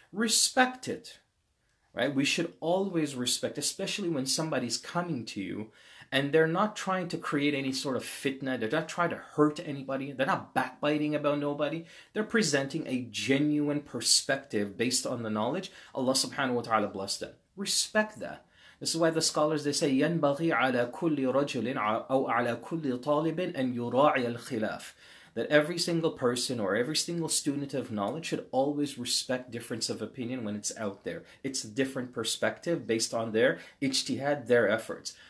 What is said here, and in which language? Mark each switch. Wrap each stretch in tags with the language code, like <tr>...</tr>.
<en>Respect it, right? We should always respect, especially when somebody's coming to you and they're not trying to create any sort of fitna. They're not trying to hurt anybody. They're not backbiting about nobody. They're presenting a genuine perspective based on the knowledge. Allah subhanahu wa ta'ala bless them. Respect that. This is why the scholars, they say,</en> <ar>ينبغي على كل رجل أو على كل طالب أن يراعي الخلاف.</ar> <en>That every single person or every single student of knowledge should always respect difference of opinion when it's out there. It's a different perspective based on their ijtihad, their efforts.</en>